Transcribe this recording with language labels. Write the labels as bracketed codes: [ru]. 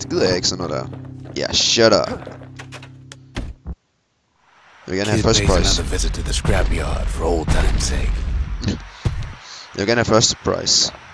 [da] Det gider jeg ikke sådan noget der. Ja, [en] shut up. [da] Jeg vil gerne have [en] first price. Another visit to the scrapyard for old time's sake. [da] Jeg vil gerne have første price.